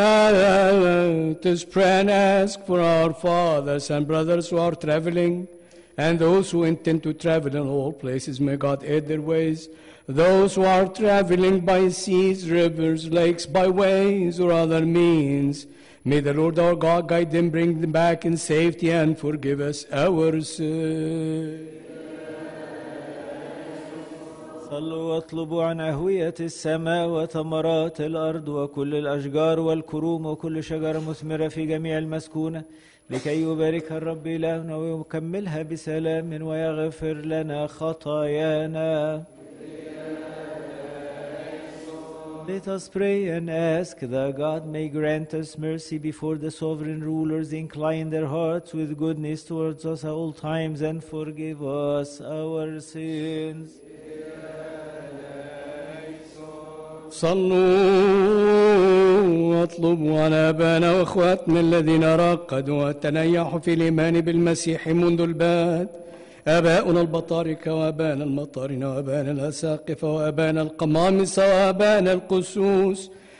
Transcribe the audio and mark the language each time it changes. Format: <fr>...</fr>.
<en>Let us pray and ask for our fathers and brothers who are traveling and those who intend to travel in all places. May God aid their ways. Those who are traveling by seas, rivers, lakes, by ways or other means, may the Lord our God guide them, bring them back in safety and forgive us our sins.</en> <ar>صلوا واطلبوا عن أهوية السماء وثمرات الأرض وكل الأشجار والكروم وكل شجرة مثمرة في جميع المسكونة لكي يباركها الرب إلهنا ويكملها بسلام ويغفر لنا خطايانا.</ar> <en>Let us pray and ask that God may grant us mercy before the sovereign rulers, incline their hearts with goodness towards us at all times and forgive us our sins.</en> <ar>صلوا واطلبوا على ابانا واخواتنا الذين رقدوا وتنيحوا في الايمان بالمسيح منذ البات اباؤنا البطاركه وابانا المطارنه وابانا الاساقفه وابانا القمامسه وابانا القسوس</ar>